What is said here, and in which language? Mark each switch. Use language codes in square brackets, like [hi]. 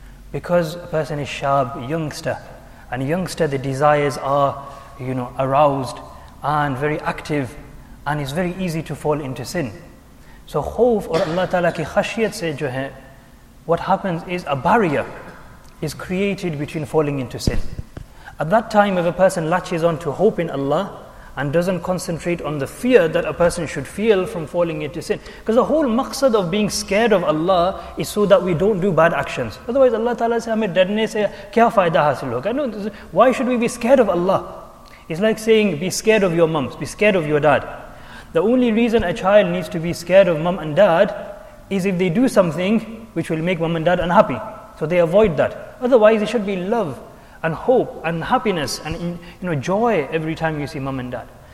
[en] because a person is sharp, youngster and youngster the desires are you know aroused and very active and it's very easy to fall into sin so [ur] خوف اور اللہ تعالیٰ کی خشیت سے جو ہے [en] what happens is a barrier is created between falling into sin at that time if a person latches on to hope in Allah and doesn't concentrate on the fear that a person should feel from falling into sin. Because the whole maqsad of being scared of Allah is so that we don't do bad actions. Otherwise [ur] اللہ تعالیٰ سے، ہمیں ڈرنے سے کیا فائدہ حاصل ہوگا؟ [en] No, why should we be scared of Allah? It's like saying, be scared of your mums, be scared of your dad. The only reason a child needs to be scared of mum and dad is if they do something which will make mum and dad unhappy. So they avoid that. Otherwise it should be love. And hope and happiness and you know joy every time you see mom and dad.